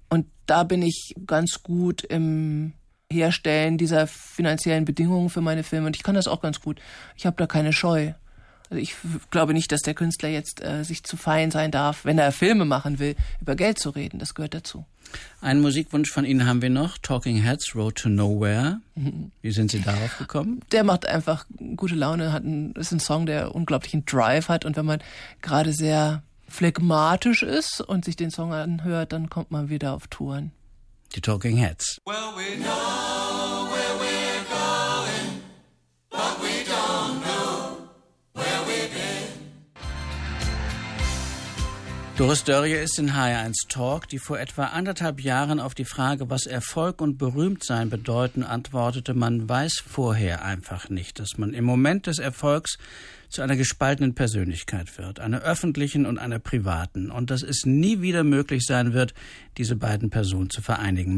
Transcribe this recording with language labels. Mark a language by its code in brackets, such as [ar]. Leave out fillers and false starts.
[de] Und da bin ich ganz gut im Herstellen dieser finanziellen Bedingungen für meine Filme und ich kann das auch ganz gut. Ich habe da keine Scheu. Also ich glaube nicht, dass der Künstler jetzt sich zu fein sein darf, wenn er Filme machen will, über Geld zu reden. Das gehört dazu. Einen Musikwunsch von Ihnen haben wir noch. Talking Heads, Road to Nowhere. Wie sind Sie darauf gekommen? Der macht einfach gute Laune. Ist ein Song, der unglaublichen Drive hat. Und wenn man gerade sehr phlegmatisch ist und sich den Song anhört, dann kommt man wieder auf Touren. Die Talking Heads. [en] Well, we know where we're going, but we don't know. [de] Doris Dörrie ist in HR1 Talk, die vor etwa 1,5 Jahren auf die Frage, was Erfolg und Berühmtsein bedeuten, antwortete, man weiß vorher einfach nicht, dass man im Moment des Erfolgs zu einer gespaltenen Persönlichkeit wird, einer öffentlichen und einer privaten, und dass es nie wieder möglich sein wird, diese beiden Personen zu vereinigen.